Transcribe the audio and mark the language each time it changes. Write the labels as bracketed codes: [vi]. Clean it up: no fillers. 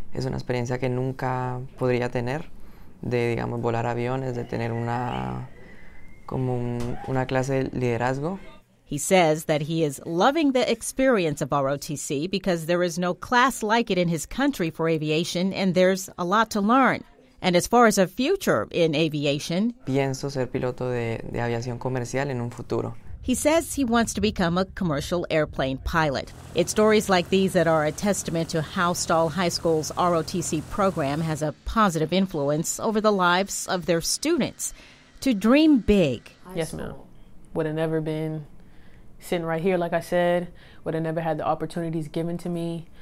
[es] Es una experiencia que nunca podría tener, de, digamos, volar aviones, de tener una, como un, una clase de liderazgo. [en] He says that he is loving the experience of ROTC because there is no class like it in his country for aviation, and there's a lot to learn. And as far as a future in aviation, [es] pienso ser piloto de aviación comercial en un futuro. [en] He says he wants to become a commercial airplane pilot. It's stories like these that are a testament to how Stahl High School's ROTC program has a positive influence over the lives of their students. To dream big. Yes, ma'am. Would have never been sitting right here, like I said. Would have never had the opportunities given to me.